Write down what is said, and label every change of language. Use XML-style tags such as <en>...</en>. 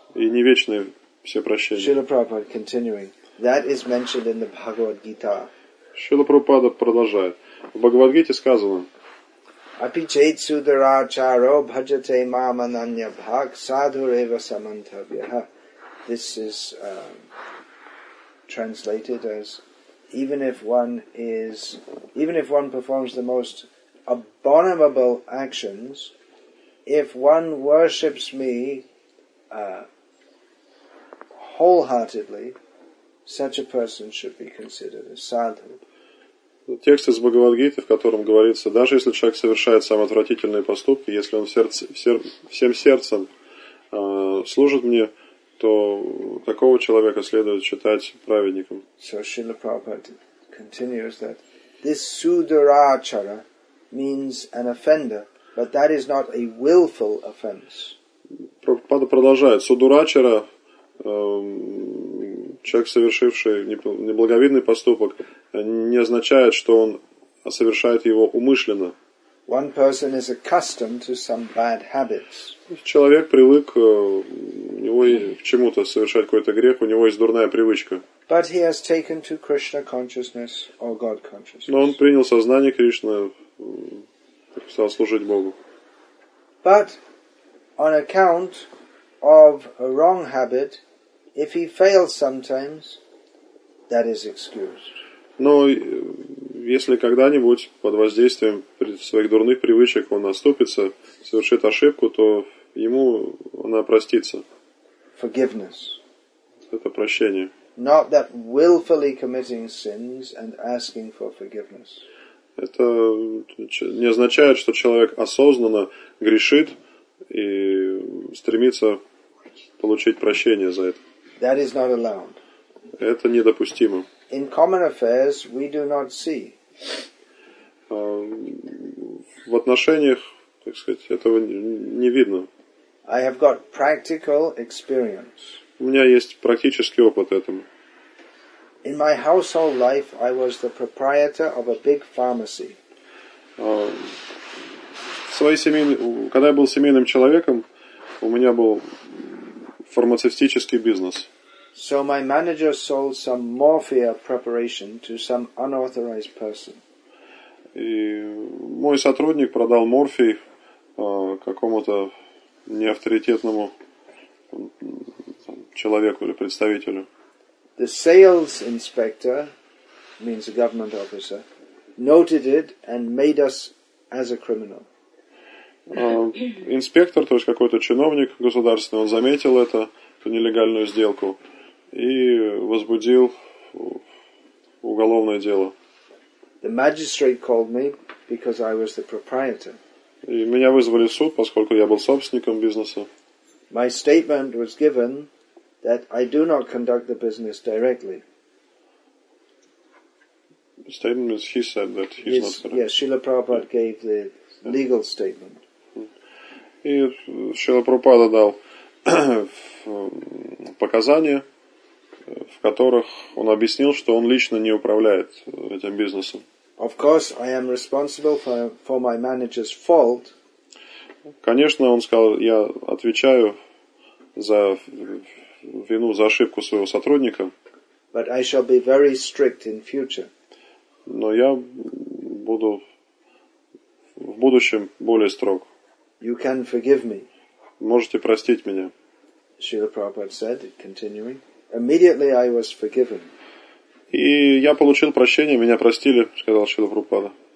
<ru>И не вечное все прощение.</ru> <en>Srila Prabhupada continuing. That is mentioned in the Bhagavad Gita.</en> <ru>Srila Prabhupada продолжает. В Бхагавад-гите сказано:</ru> <sa>Апичейт сударачаро бхаджате мам ананья бхак садхурэва самантабьяха.</sa> <en>This is translated as even if one performs the most abominable actions, if one worships me wholeheartedly, such a person should be considered a sadhu.</en> <ru>Текст из Бхагавад-гиты, в котором говорится, даже если человек совершает самые отвратительные поступки, если он всем сердцем служит мне, то такого человека следует считать праведником.</ru> <en>So Srila Prabhupada continues that this sudarachara means an offender, but that is not a willful offense.</en> <ru>Прабхупада продолжает. Судурачара, человек, совершивший неблаговидный поступок, не означает, что он совершает его умышленно.</ru> <en>One person is accustomed to some bad habits.</en> <ru>Человек привык у него к чему-то совершать какой-то грех, у него есть дурная привычка.</ru> <en>But he has taken to Krishna consciousness or God consciousness.</en> <ru>Но он принял сознание Кришны, стал служить Богу.</ru> <en>But on account of a wrong habit, if he fails sometimes, that is excused.</en> <ru>Но если когда-нибудь под воздействием своих дурных привычек он оступится, совершит ошибку, то ему она простится.</ru> <en>Forgiveness.</en> <ru>Это прощение.</ru> <en>Not that willfully committing sins and asking for forgiveness.</en> <ru>Это не означает, что человек осознанно грешит и стремится получить прощение за это.</ru> <en>That is not allowed.</en> <ru>Это недопустимо.</ru> <en>In common affairs we do not see.</en> <ru>В отношениях, так сказать, этого не видно.</ru> <en>I have got practical experience.</en> <ru>У меня есть практический опыт этому.</ru> <en>In my household life, I was the proprietor of a big pharmacy.</en> <ru>Когда я был семейным человеком, у меня был фармацевтический бизнес.</ru> <en>So my manager sold some morphia preparation to some unauthorized person.</en> <ru>И мой сотрудник продал морфий какому-то неавторитетному человеку или представителю.</ru> <en>The sales inspector, means a government officer, noted it and made us as a criminal.</en> <ru>Инспектор, то есть какой-то чиновник государственный, он заметил это, эту нелегальную сделку, и возбудил уголовное дело.</ru> <en>The magistrate called me because I was the proprietor.</en> <ru>И меня вызвали в суд, поскольку я был собственником бизнеса.</ru> <en>My statement was given that I do not conduct the business directly. Statement is he said that he's not correct. Yes, Srila Prabhupada gave the legal statement.</en> <ru>И Шрила Прабхупада дал показания, в которых он объяснил, что он лично не управляет этим бизнесом.</ru> <en>Of course, I am responsible for my manager's fault.</en> <ru>Конечно, он сказал, я отвечаю за вину, за ошибку своего сотрудника.</ru> <en>But I shall be very strict in future.</en> <ru>Но я буду в будущем более строг.</ru> <en>You can forgive me.</en> <ru>Можете простить меня.</ru> <en>Srila Prabhupada said, continuing. Immediately I was forgiven.</en> <ru>И я получил прощение, меня простили, сказал Шрила Прабхупада.</ru>